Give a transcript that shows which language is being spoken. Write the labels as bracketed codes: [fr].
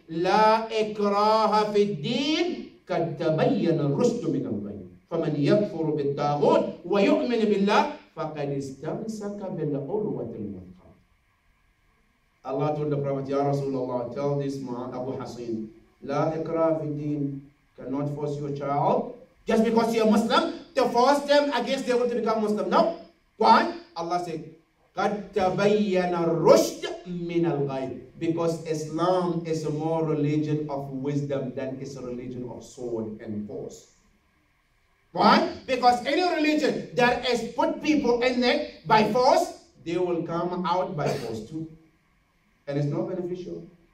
[ar] لا إكراه في الدين قد تبين الرشد من البين فمن يكفر بالطاغوت ويؤمن بالله فقد استمسك بالعروة الوثقى. [en] Allah told the Prophet, Ya Rasulullah, tell this man, Abu Hasin, [ar] لا إكراه في الدين, [en] cannot force your child just because you're Muslim to force them against their will to become Muslim. No. Why? Allah said, [ar] قد تبين الرشد من الغيب. [en] Because Islam is a more religion of wisdom than it's a religion of sword and force. Why? Because any religion that has put people in there by force, they will come out by force too. And it's not beneficial.